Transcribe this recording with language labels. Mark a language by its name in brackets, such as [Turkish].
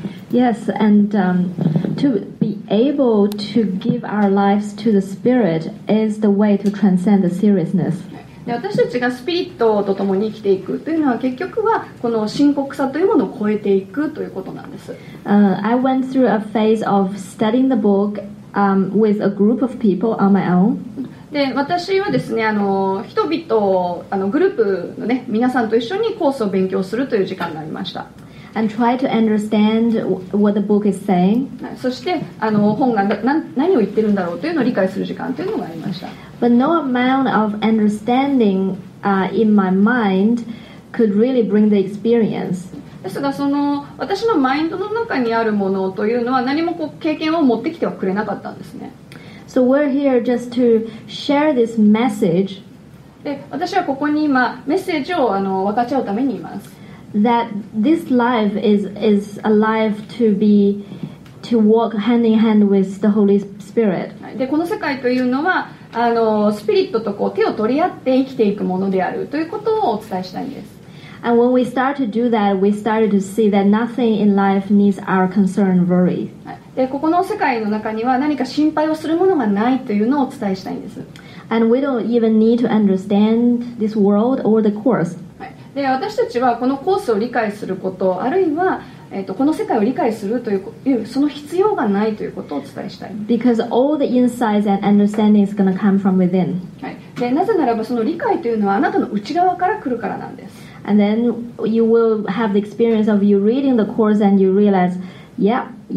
[English] Yes, and to be able to give our lives to the Spirit is the way to transcend the seriousness. I went through a phase of studying the book with a group of people on my own. [Japanese] で私はですね、人々グループの、ね、皆さんと一緒にコースを勉強するという時間がありました。 [English] And try to understand what the book is saying. [Japanese] そして本が何を言ってるんだろうというのを理解する時間というのがありました。 [English] But no amount of understanding in my mind could really bring the experience. [Japanese] ですがその私のマインドの中にあるものというのは何もこう経験を持ってきてはくれなかったんですね。 [English] So we're here just to share this message. [Japanese] で、私はここに今メッセージを分かち合うためにいます。 [English] That this life is a life to walk hand in hand with the Holy Spirit. [Japanese] で、この世界というのはスピリットとこう手を取り合って生きていくものであるということをお伝えしたいんです。 [English] And when we started to do that, we started to see that nothing in life needs our concern and worry. [Japanese] でここの世界の中には何か心配をするものがないというのをお伝えしたいんです。 [English] And we don't even need to understand this world or the course. [Japanese] で私たちはこのコースを理解することあるいは、この世界を理解するというその必要がないということをお伝えしたい。 [English] Because all the insights and understanding is going to come from within. [Japanese] でなぜならばその理解というのはあなたの内側から来るからなんです。 [English] And then you will have the experience of you reading the course and you realize Yeah.